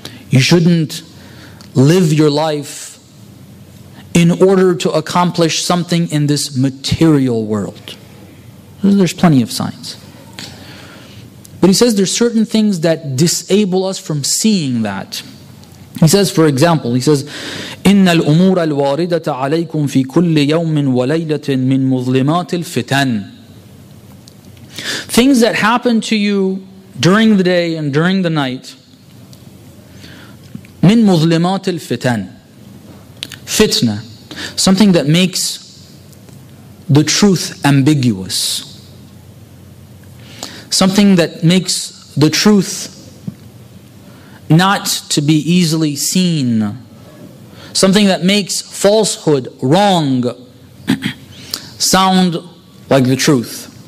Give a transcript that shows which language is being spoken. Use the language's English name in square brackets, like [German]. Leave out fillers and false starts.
[English] You shouldn't live your life in order to accomplish something in this material world. There's plenty of signs. But he says there's certain things that disable us from seeing that. He says, for example, he says, [Arabic] إِنَّ الْأُمُورَ الْوَارِدَةَ عَلَيْكُمْ فِي كُلِّ يَوْمٍ وَلَيْلَةٍ مِّن مُظْلِمَاتِ الْفِتَنِ. [English] Things that happen to you during the day and during the night, [Arabic] مِن مُظْلِمَاتِ الْفِتَنِ, [English] fitna, something that makes the truth ambiguous, something that makes the truth not to be easily seen, something that makes falsehood, wrong, sound like the truth.